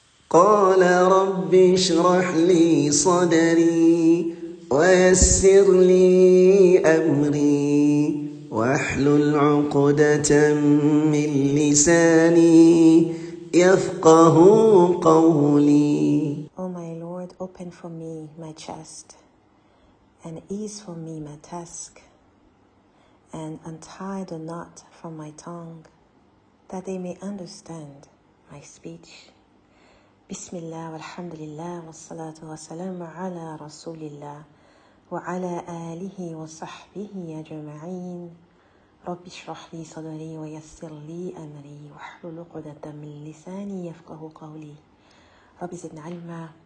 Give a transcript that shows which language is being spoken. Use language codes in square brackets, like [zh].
[ar] قال رب اشرح لي صدري ويسر لي أمري واحلل عقدة من لساني يفقه قولي. [en] Oh my Lord, open for me my chest and ease for me my task and untie the knot from my tongue that they may understand my speech. [ar] بسم الله والحمد لله والصلاة والسلام على رسول الله وعلى آله وصحبه أجمعين رب اشرح لي صدري ويسر لي أمري واحلل عقدة من لساني يفقه قولي رب زدنا علما.